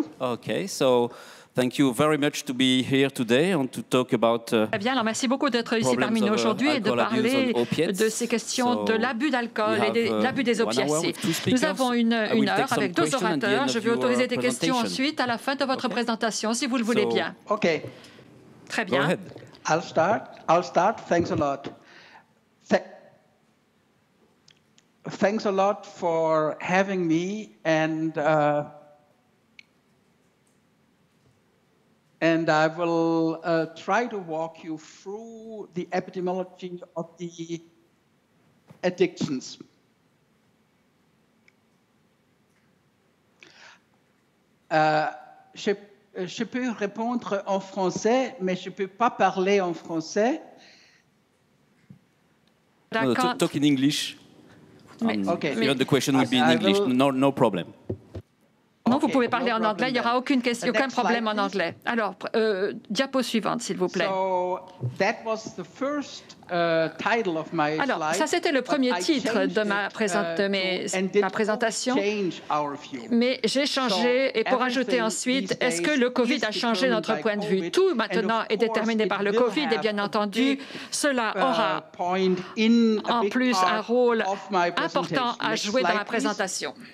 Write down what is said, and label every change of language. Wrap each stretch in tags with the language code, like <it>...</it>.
<en>Okay, so thank you very much to be here today and to talk about.</en> <fr>Eh bien, alors merci beaucoup d'être ici parmi nous aujourd'hui et de parler de ces questions de l'abus d'alcool et de l'abus des opiacés. Nous avons une heure avec deux orateurs. Je vais autoriser des questions ensuite à la fin de votre présentation, si vous le voulez bien. Okay. Très bien.</fr> <en>I'll start. Thanks a lot. Thanks a lot for having me and I will try to walk you through the epidemiology of the addictions.</en> <fr>Je peux répondre en français, mais je peux pas parler en français.</fr> <en>Talk in English. Okay. The question will be in English. No problem.</en> <fr>Non, okay, vous pouvez parler en anglais. Then. Il n'y aura aucun problème en anglais. Alors, diapo suivante, s'il vous plaît.</fr> <en>So, that was the first, title of my</en> <fr>Alors,</fr> <en>slide,</en> <fr>ça, c'était le premier titre de ma présentation. Mais j'ai changé, et pour ajouter ensuite, est-ce que le COVID a changé notre point de vue? Tout, maintenant, est déterminé par le COVID, et bien entendu, cela aura en plus un rôle important à jouer dans ma présentation.</fr>